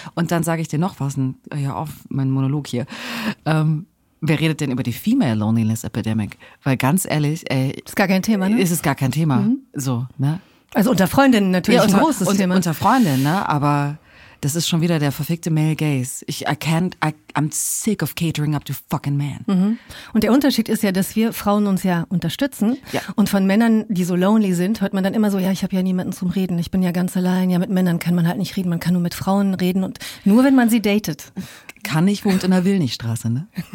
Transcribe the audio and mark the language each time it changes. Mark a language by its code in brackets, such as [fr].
[de] Und dann sage ich dir noch was, ja, auf mein Monolog hier. Wer redet denn über die Female Loneliness Epidemic? Weil ganz ehrlich, ey. Ist gar kein Thema, ne? Ist es gar kein Thema. So, ne? Also unter Freundinnen natürlich, ja, ein großes Thema. Unter Freundinnen, ne? Aber das ist schon wieder der verfickte Male Gaze. [en] I'm sick of catering up to fucking man. [de] Und der Unterschied ist ja, dass wir Frauen uns ja unterstützen. Ja. Und von Männern, die so lonely sind, hört man dann immer so, ja, ich habe ja niemanden zum Reden. Ich bin ja ganz allein. Ja, mit Männern kann man halt nicht reden. Man kann nur mit Frauen reden. Und nur, wenn man sie datet. Kann ich, wohnt in der Willnichstraße, ne?